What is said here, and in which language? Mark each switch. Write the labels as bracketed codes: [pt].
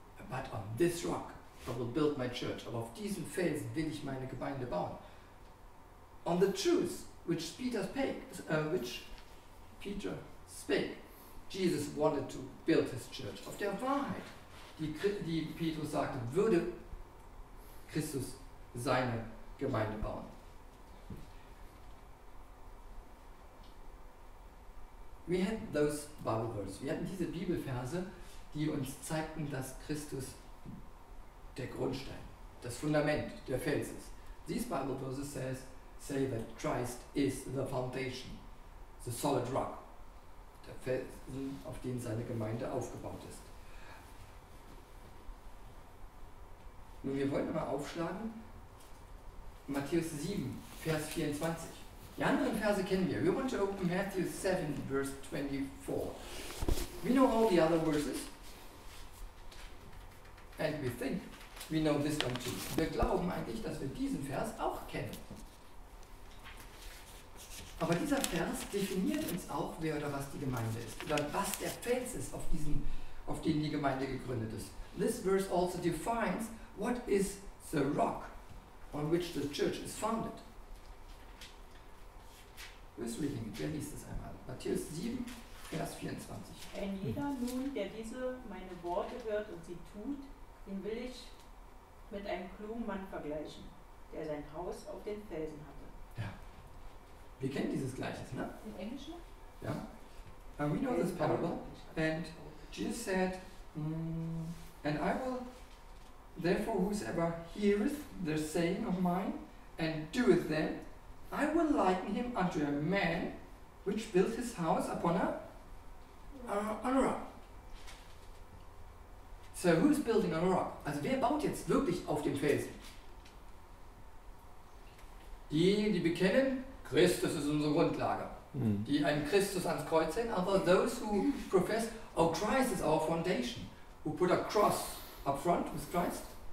[en] But on this rock I will build my church. [de] Aber auf diesem Felsen will ich meine Gemeinde bauen. [en] On the truth which Peter spake, Jesus wanted to build his church. [de] Auf der Wahrheit, die Petrus sagte, würde Christus seine Gemeinde bauen. [en] We had those Bible verses. [de] Wir hatten diese Bibelverse, die uns zeigten, dass Christus der Grundstein, das Fundament, der Fels ist. [en] These Bible verses say that Christ is the foundation, the solid rock, [de] der Felsen, auf den seine Gemeinde aufgebaut ist. Nun, wir wollen mal aufschlagen, Matthäus 7, Vers 24. Die anderen Verse kennen wir. [en] We want to open Matthew 7, verse 24. We know all the other verses. And we think we know this one too. [de] Wir glauben eigentlich, dass wir diesen Vers auch kennen. Aber dieser Vers definiert uns auch, wer oder was die Gemeinde ist. Oder was der Fels ist, auf den die Gemeinde gegründet ist. [en] This verse also defines what is the rock on which the church is founded. [de] Wer liest es einmal? Matthäus 7, Vers 24. Ein jeder nun, der diese meine Worte hört und sie tut, den will ich mit einem klugen Mann vergleichen, der sein Haus auf den Felsen hatte. Ja. Wir kennen dieses Gleiches, ne? In Englisch? [en] Ja. We know this parable. And Jesus said, and I will, therefore, whosoever heareth the saying of mine and doeth them, I will liken him unto a man which built his house upon a rock. So who is building on a rock? [de] Also wer baut jetzt wirklich auf dem Felsen? Diejenigen, die bekennen, Christus ist unsere Grundlage. Die einen Christus ans Kreuz hängen, aber [en] those who profess, oh Christ is our foundation, who put a cross up front with Christ.